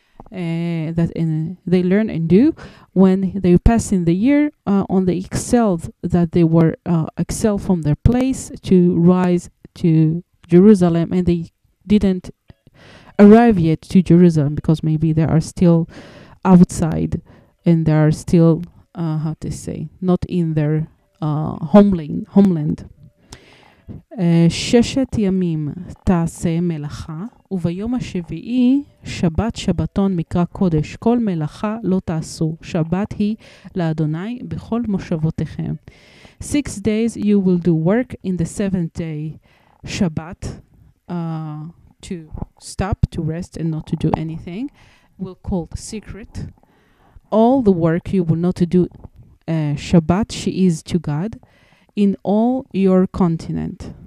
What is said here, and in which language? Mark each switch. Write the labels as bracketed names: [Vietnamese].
[English] That in they learn and do when they pass in the year on the excelled that they were excel from their place to rise to Jerusalem, and they didn't arrive yet to Jerusalem because maybe they are still outside and they are still how to say not in their homeland. [Hebrew] ששת ימים תעשה מלאכה וביום השביעי שבת שבתון מקרא קודש כל מלאכה לא תעשו שבת היא לאדוני בכל מושבותיכם. [English] 6 days you will do work, in the 7th day שבת to stop, to rest and not to do anything will call the secret. All the work you will not do שבת, she is to God, in all your continent.